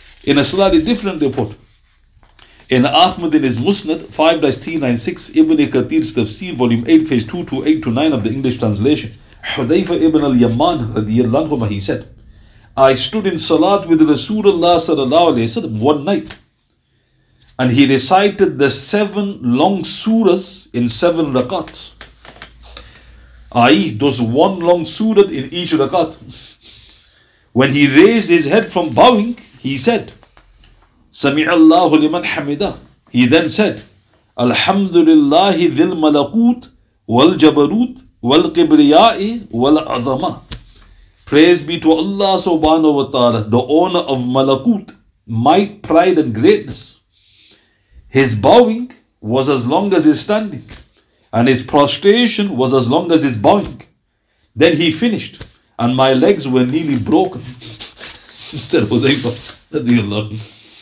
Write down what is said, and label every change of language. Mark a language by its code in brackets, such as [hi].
[en] In a slightly different report, in Ahmad in his Musnad 5-396, Ibn Kathir's Tafsir, volume 8, page 228-9 of the English translation, Hudhaifa ibn al-Yaman radiyallahu anhu, he said, I stood in Salat with Rasulullah sallallahu alayhi wa sallam one night, and he recited the 7 long surahs in 7 rakats, i.e. those 1 long surah in each rakat. When he raised his head from bowing, he said, [ar] سَمِعَ اللَّهُ لِمَنْ حَمِدَهُ. [en] He then said, [ar] أَلْحَمْدُ لِلَّهِ ذِي الْمَلَقُوتِ وَالْجَبَرُوتِ وَالْقِبْرِيَاءِ وَالْعَظَمَةِ. [en] Praise be to Allah subhanahu wa ta'ala, the owner of Malakut, might, pride and greatness. His bowing was as long as his standing, and his prostration was as long as his bowing. Then he finished, and my legs were nearly broken. Said Hudhaifa radiallahu anhu.